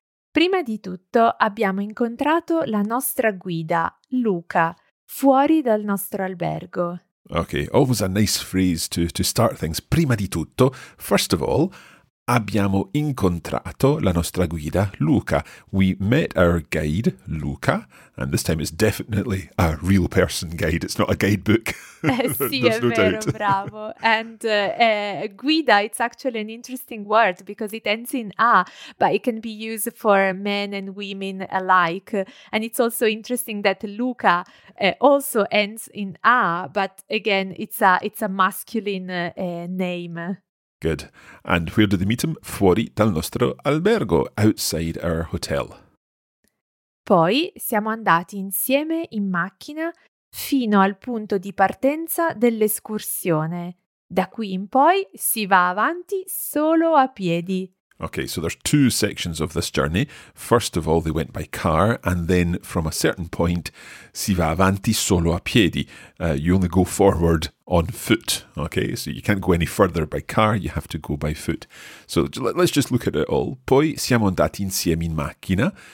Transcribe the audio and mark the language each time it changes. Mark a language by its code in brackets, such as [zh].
[it] Prima di tutto abbiamo incontrato la nostra guida, Luca, fuori dal nostro albergo. [en] Okay, always a nice phrase to start things. [it] Prima di tutto, [en] first of all, [it] abbiamo incontrato la nostra guida, Luca. [en] We met our guide, Luca, and this time it's definitely a real person guide. It's not a guidebook. Sì, there's no vero, doubt. Bravo. And guida, it's actually an interesting word because it ends in A, but it can be used for men and women alike. And it's also interesting that Luca also ends in A, but again, it's a masculine name. Good. And where did they meet him? [it] Fuori dal nostro albergo, [en] outside our hotel. [it] Poi siamo andati insieme in macchina fino al punto di partenza dell'escursione. Da qui in poi si va avanti solo a piedi. [en] Okay, so there's two sections of this journey. First of all, they went by car, and then from a certain point, [it] si va avanti solo a piedi. [en] You only go forward on foot, okay? So you can't go any further by car, you have to go by foot. So let's just look at it all. [it] Poi siamo andati insieme in macchina.